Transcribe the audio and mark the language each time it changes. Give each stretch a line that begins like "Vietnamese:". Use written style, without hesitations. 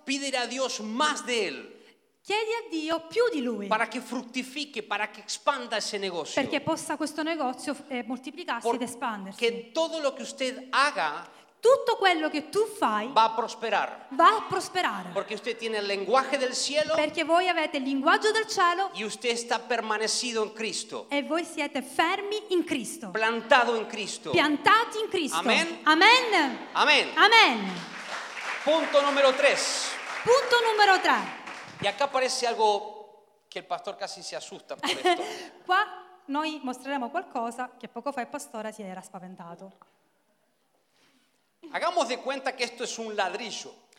Spanish: pídele a Dios más de él.
Italian: Chiedi a Dio più di lui.
Spanish: Para que fructifique, para que expanda ese negocio.
Italian: Perché possa questo negozio moltiplicarsi ed espandersi.
Spanish: Que todo lo que usted haga.
Italian: Tutto quello che tu fai
Spanish: va a prosperar.
Italian: Va a prosperare.
Spanish: Porque usted tiene el lenguaje del cielo.
Italian: Perché voi avete il linguaggio del cielo.
Spanish: Y usted está permanecido en Cristo.
Italian: E voi siete fermi in Cristo.
Spanish: Plantado en Cristo.
Italian: Piantati in Cristo.
Spanish: Amén. Amén. Amén. Amén. Punto número 3. Punto número 3. Y acá aparece algo que el pastor casi se asusta por esto.
Italian: Qua noi mostreremo qualcosa che poco fa il pastore si era spaventato.
Spanish: Hagamos de cuenta que esto es un ladrillo.